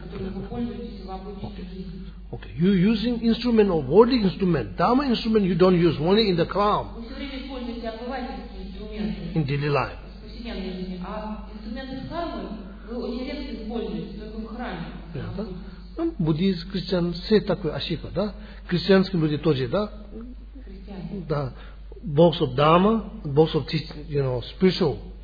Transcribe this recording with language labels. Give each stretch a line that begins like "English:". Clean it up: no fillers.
Russian: которые вы пользуетесь в обычной жизни. Okay.
English: You're using instrument or worldly instrument. Dharma instrument you don't use, only in the crown.
Russian: Вы все время используете обывательские инструменты.
English: In daily life.
Russian: В повседневной жизни. А инструменты кармы вы очень редко используете, только в храме. Буддист, христиан, все такое ошибка, да? Христианские люди тоже, да? Христиане. Да.
English: Box of Dharma, box of teaching, you know, spiritual.